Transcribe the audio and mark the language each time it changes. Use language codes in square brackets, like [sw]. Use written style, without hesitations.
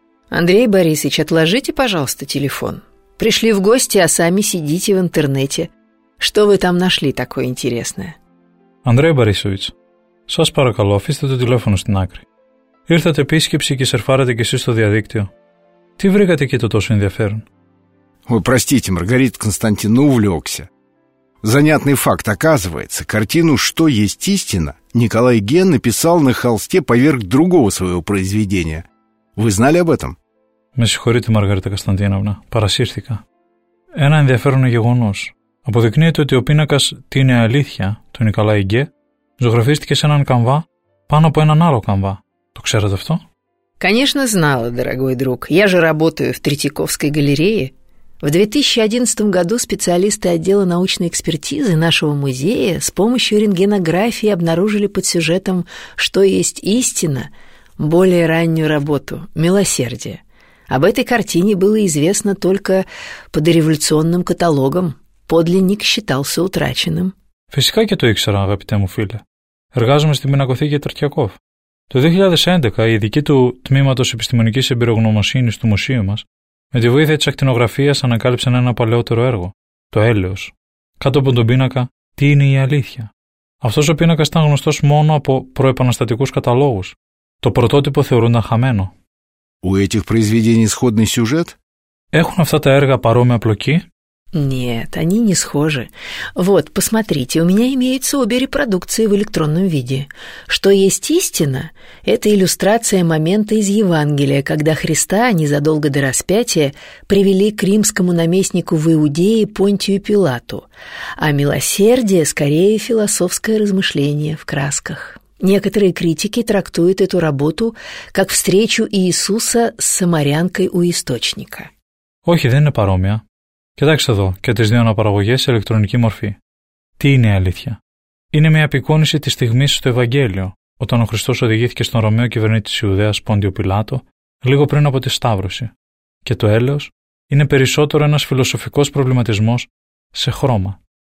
[ru] Андрей Борисович, отложите, пожалуйста, телефон. Пришли в гости, а сами сидите в интернете. Что вы там нашли такое интересное? [el] Андрей Борисович, сас паракалу, αφήστε το телефон στην άκρη. Ήρθατε επίσκεψη και серфарите και εσείς στο διαδίκτυο. Τι βρήκατε εκεί το τόσο ενδιαφέρον? [ru] Ой, простите, Маргарита Константиновна, увлекся. Занятный факт, оказывается, картину «Что есть истина» Николай Ген написал на холсте поверх другого своего произведения. Вы знали об этом? [el] Με συγχωρείτε, Μαργαρίτα Κωνσταντίνοβνα, παρασύρθηκα. Ένα ενδιαφέρον γεγονός. Αποδεικνύεται ότι ο πίνακας «Τι είναι αλήθεια» του Νικολάη Γκέ ζωγραφίστηκε σε έναν καμβά πάνω από έναν άλλο καμβά. Το ξέρετε αυτό? [ru] Конечно, знала, дорогой друг. Я же работаю в Третьяковской галерее. В 2011 году специалисты отдела научной экспертизы нашего музея с помощью рентгенографии обнаружили под сюжетом «Что есть истина» более раннюю работу «Милосердие». Об этой картине было известно только по дореволюционным каталогам. Подлинник считался утраченным. [el] Φυσικά και το ήξερα, αγαπητέ μου φίλε. Εργάζομαι στην Πινακοθήκη Τερτιακόφ. Το 2011 η ειδική του Τμήματος Επιστημονικής Εμπειρογνωμοσύνης του μουσείου μας με τη βοήθεια της ακτινογραφίας ανακάλυψαν ένα παλαιότερο έργο, το «Έλεος». Κάτω από τον πίνακα «Τι είναι η αλήθεια». Αυτός ο πίνακας ήταν γνωστός μόνο από προεπαναστατικούς καταλόγους. Το πρωτότυπο θεωρούνταν χαμένο. [ru] У этих произведений сходный сюжет? [el] Έχουν αυτά τα έργα παρόμοια πλοκή? [ru] Нет, они не схожи. Вот, посмотрите, у меня имеются обе репродукции в электронном виде. Что есть истина, это иллюстрация момента из Евангелия, когда Христа, незадолго до распятия, привели к римскому наместнику в Иудее Понтию Пилату. А милосердие, скорее, философское размышление в красках. Некоторые критики трактуют эту работу как встречу Иисуса с самарянкой у источника. [el] Όχι, δεν είναι παρόμοια. Κοιτάξτε εδώ και τις δύο αναπαραγωγές σε ηλεκτρονική μορφή. Τι είναι η αλήθεια? Είναι μια απεικόνιση της στιγμής στο Ευαγγέλιο, όταν ο Χριστός οδηγήθηκε στον Ρωμαίο κυβερνήτη της Ιουδαίας Πόντιο Πιλάτο, λίγο πριν από τη Σταύρωση. Και το έλεος είναι περισσότερο ένας φιλοσοφικός προβληματισμός σε χρώμα.